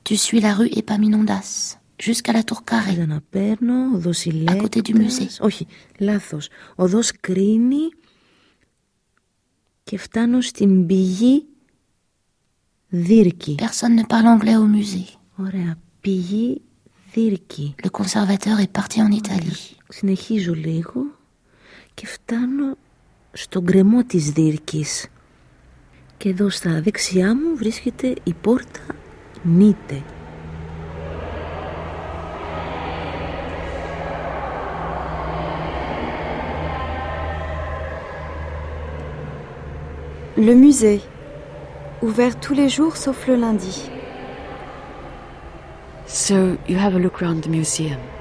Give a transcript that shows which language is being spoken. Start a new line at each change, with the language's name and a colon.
French: Tu suis la rue Epaminondas jusqu'à la tour carrée.
Greek: Να παίρνω, οδός Ηλέκτρας.
French: À côté du musée.
Greek: Όχι, λάθος. Οδός Κρίνη και φτάνω στην πηγή Δίρκη.
French: Personne ne parle anglais au musée.
Greek: Ωραία, πηγή Δίρκη.
French: Le conservateur est parti en Italie.
Greek: Συνεχίζω λίγο και φτάνω στον γκρεμό της Δίρκης. Και εδώ στα δεξιά μου βρίσκεται η πόρτα Νίτε.
French: Le musée, ouvert tous les jours sauf le lundi.
English: So you have a look around the museum.